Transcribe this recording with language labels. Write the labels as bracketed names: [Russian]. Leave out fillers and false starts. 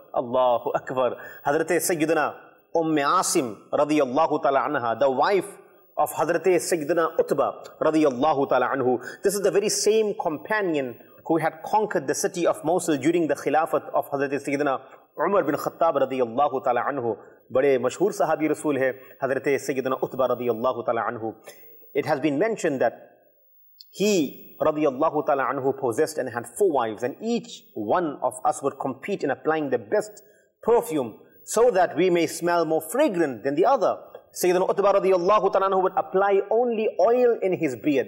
[English] Allahu Akbar. Hazrat Sayyidina Umme Asim radiyallahu ta'ala anha, the wife of Hazrat Sayyidina Utba radiyallahu ta'ala anhu. This is the very same companion who had conquered the city of Mosul during the khilafat of Hazrat Sayyidina Umar bin Khattab radiyallahu ta'ala anhu. [Urdu] بڑے مشہور صحابی رسول ہے حضرت سیدنا عتبہ رضی اللہ تعالی عنہ. [English] It has been mentioned that he رضی اللہ تعالی عنہ possessed and had four wives, and each one of us would compete in applying the best perfume so that we may smell more fragrant than the other. سیدنا Utbah رضی اللہ تعالی عنہ would apply only oil in his beard.